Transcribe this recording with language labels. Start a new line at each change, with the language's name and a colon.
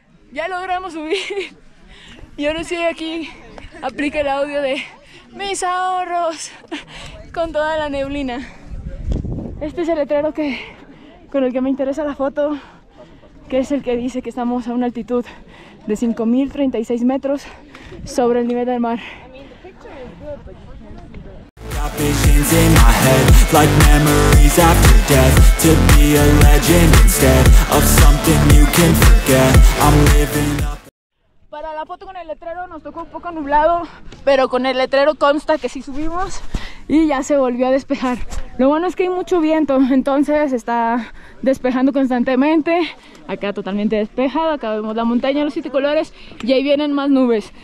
Spanish: Ya logramos subir. Y ahora sí aquí aplica el audio de mis ahorros con toda la neblina. Este es el letrero que con el que me interesa la foto, que es el que dice que estamos a una altitud de 5.036 metros sobre el nivel del mar.
English: Visions in my head, like memories after death, to be a legend instead of something you can forget. I'm living up.
Spanish: Para la foto con el letrero nos tocó un poco nublado, pero con el letrero consta que sí subimos y ya se volvió a despejar. Lo bueno es que hay mucho viento, entonces está despejando constantemente. Acá totalmente despejado, acá vemos la montaña, los siete colores y ahí vienen más nubes.